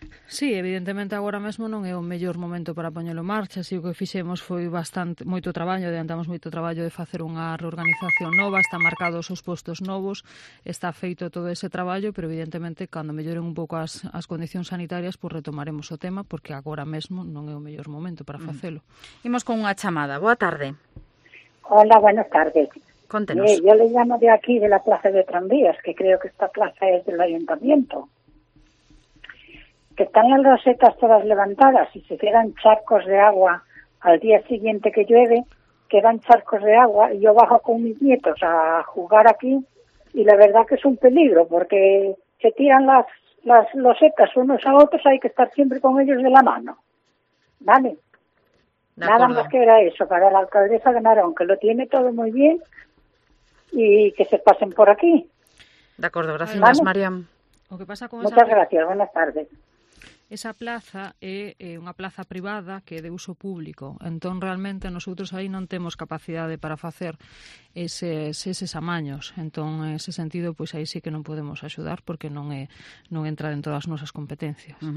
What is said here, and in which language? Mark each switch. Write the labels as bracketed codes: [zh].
[gl] Sí, evidentemente agora mesmo non é o mellor momento para poñelo en marcha, así o que fixemos foi bastante moito traballo, adiantamos moito traballo de facer unha reorganización nova, están marcados os postos novos, está feito todo ese traballo, pero evidentemente cando melloren un pouco as condicións sanitarias, pois retomaremos o tema, porque agora mesmo non é o mellor momento para facelo. Imos con unha chamada. Boa tarde. [es] Hola, buenas tardes. [gl] Contenos. [es] Yo le llamo de aquí, de la plaza de tranvías, que creo que esta plaza es del ayuntamiento. Que están las rosetas todas levantadas y se quedan charcos de agua al día siguiente que llueve, quedan charcos de agua y yo bajo con mis nietos a jugar aquí y la verdad que es un peligro porque se tiran las losetas unos a otros, hay que estar siempre con ellos de la mano. ¿Vale? Nada más que era eso, para la alcaldesa de Narón, que lo tiene todo muy bien y que se pasen por aquí. De acuerdo, gracias, ¿vale? Mariam. ¿O qué pasa con muchas gracias, buenas tardes. [gl] esa plaza é unha plaza privada que é de uso público. Entón, realmente, nosotros aí non temos capacidade para facer eses amaños. Entón, en ese sentido, pois aí sí que non podemos axudar porque non entra dentro das nosas competencias.